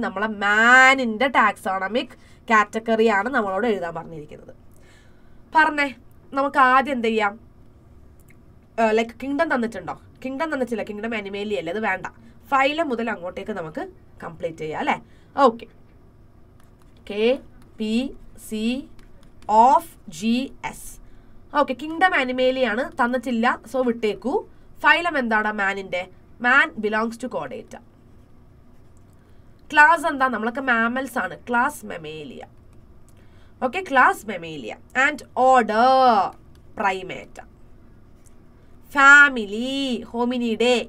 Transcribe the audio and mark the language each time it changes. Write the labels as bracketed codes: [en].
[ml] നമ്മളെ മാനിൻ്റെ ടാക്സോണമിക് കാറ്റഗറിയാണ് നമ്മളോട് എഴുതാൻ പറഞ്ഞിരിക്കുന്നത്. പറഞ്ഞേ, നമുക്ക് ആദ്യം എന്ത് ചെയ്യാം? Like kingdom തന്നിട്ടുണ്ടോ? കിങ്ഡം തന്നിട്ടില്ല. കിങ്ഡം അനിമേലി അല്ലേ, അത് വേണ്ട. ഫൈലം മുതൽ അങ്ങോട്ടേക്ക് നമുക്ക് കംപ്ലീറ്റ് ചെയ്യാം അല്ലേ. [en] Okay, KPC of GS. [ml] Okay, kingdom അനിമേലിയാണ്, തന്നിട്ടില്ല, സോ വിട്ടേക്കൂ. ഫൈലം എന്താണ് മാനിൻ്റെ? [en] Man belongs to കോഡേറ്റ. [ml] ക്ലാസ് എന്താ? നമ്മളൊക്കെ മാമൽസ് ആണ്. Class Mammalia. Okay, class Mammalia. [en] And order primates. Family hominidae.